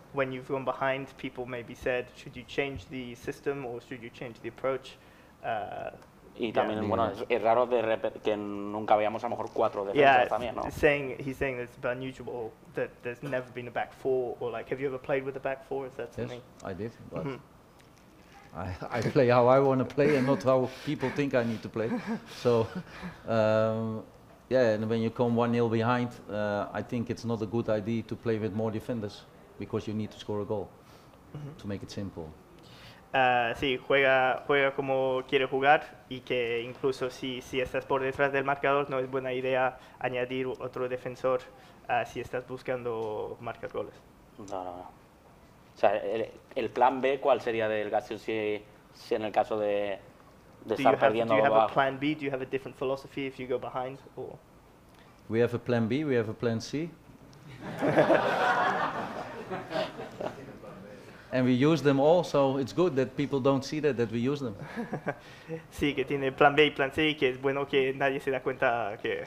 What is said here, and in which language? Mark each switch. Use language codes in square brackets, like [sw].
[en] when you've gone behind, people maybe said, should you change the system or should you change the approach? [es] Y también, yeah. Bueno, es raro de que nunca veíamos a lo mejor cuatro defensas también, ¿no? [en] He's saying that it's unusual that there's never been a back four, or like, have you ever played with a back four? Is that something? Yes, I did, but I play how I want to play and not how people think I need to play. So, yeah, and when you come 1-0 behind, I think it's not a good idea to play with more defenders because you need to score a goal, to make it simple. [es] Sí, juega como quiere jugar y que incluso si estás por detrás del marcador no es buena idea añadir otro defensor si estás buscando marcar goles. No. O sea, el plan B, ¿cuál sería del Gastón si en el caso de estar perdiendo? [en] Do you have a plan B? Do you have a different philosophy if you go behind? Or? We have a plan B, we have a plan C. And we use them all, so it's good that people don't see that we use them. [es] Sí, que tiene plan B y plan C, que es bueno que nadie se da cuenta que...